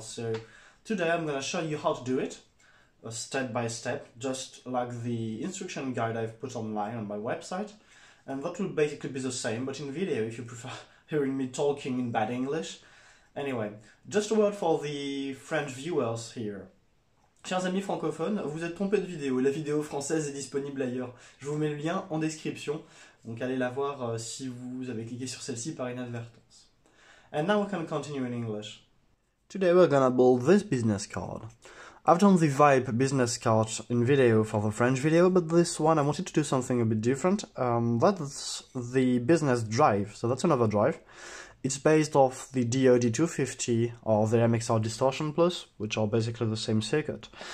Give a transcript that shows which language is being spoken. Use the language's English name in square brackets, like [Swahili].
[English] So today I'm going to show you how to do it step by step, just like the instruction guide I've put online on my website, and that will basically be the same but in video if you prefer hearing me talking in bad English. Anyway, just a word for the French viewers here. [French] Chers amis francophones, vous êtes trompés de vidéo. La vidéo française est disponible ailleurs. Je vous mets le lien en description. Donc allez la voir si vous avez cliqué sur celle-ci par inadvertance. [English] And now we can continue in English. Today we're gonna build this business card. I've done the vibe business card in video for the French video, but this one I wanted to do something a bit different. That's the business drive, so that's another drive. It's based off the DOD250 or the MXR Distortion Plus, which are basically the same circuit.